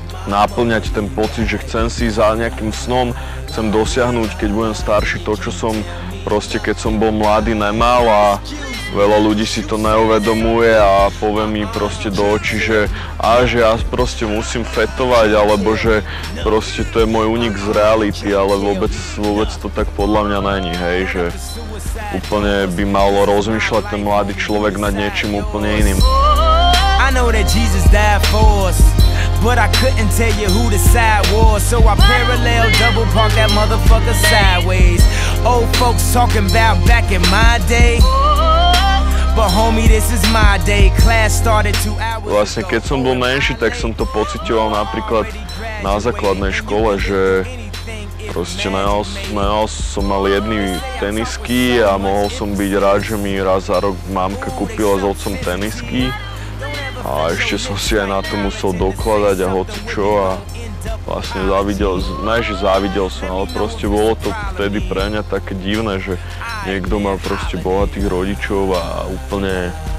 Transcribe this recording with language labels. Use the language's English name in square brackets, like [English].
[Slovak] napĺňať ten pocit, že chcem si za nejakým snom, chcem dosiahnuť, keď budem starší, to, čo som proste, keď som bol mladý, nemal a veľa ľudí si to neuvedomuje a povie mi proste do očí, že ja proste musím fetovať, alebo že proste to je môj únik z reality, ale vôbec to tak podľa mňa není, hej, že úplne by malo rozmýšľať ten mladý človek nad niečím úplne iným. [English] I know that Jesus died for us. But I couldn't tell you who the side was, so I parallel double park that motherfucker sideways. Old folks talking about back in my day, but homie, this is my day. Class started 2 hours ago. [Slovak] Vlastne keď som bol menší, tak som to pociťoval napríklad na základnej škole, že proste najal som mal jedny tenisky a mohol som byť rád, že mi raz za rok mamka kúpila s otcom tenisky. A ešte som si aj na to musel dokladať a hoci čo a vlastne závidel, najže závidel som, ale proste bolo to vtedy pre mňa také divné, že niekto má proste bohatých rodičov a úplne